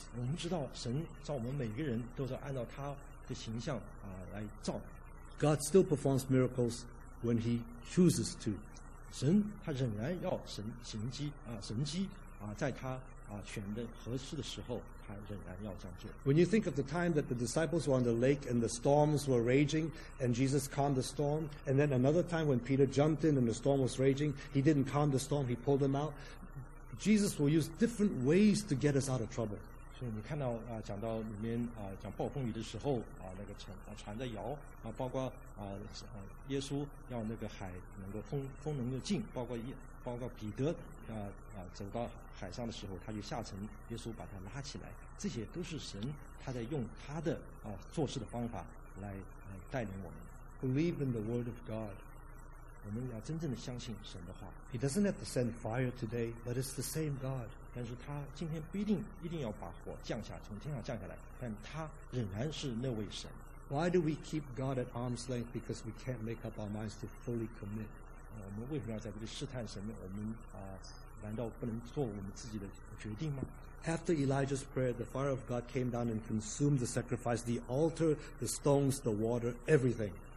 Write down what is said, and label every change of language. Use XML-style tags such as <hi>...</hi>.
<zh>我们知道神造我们每个人都是按照他的形象来造。</zh> <en>God still performs miracles when He chooses to.</en> <zh>神他仍然要神迹在他选的合适的时候。</zh> <en>When you think of the time that the disciples were on the lake and the storms were raging and Jesus calmed the storm, and then another time when Peter jumped in and the storm was raging, he didn't calm the storm, he pulled them out. Jesus will use different ways to get us out of trouble.</en> <zh>所以你看到讲到里面讲暴风雨的时候那个船在摇包括耶稣要那个海能够风能够静包括彼得走到海上的时候他就下沉耶稣把他拉起来这些都是神他在用他的做事的方法来带领我们</zh> <en>Believe in the word of God</en> <zh>我们要真正的相信神的话</zh> <en>He doesn't have to send fire today but it's the same God</en> <zh>但是他今天不一定要把火降下从天上降下来但他仍然是那位神</zh> <en>Why do we keep God at arm's length because we can't make up our minds to fully commit</en> <zh>我们为什么要在这里试探神我们难道不能做我们自己的决定吗</zh> <en>After Elijah's prayer, the fire of God came down and consumed the sacrifice, the altar, the stones, the water, everything.</en>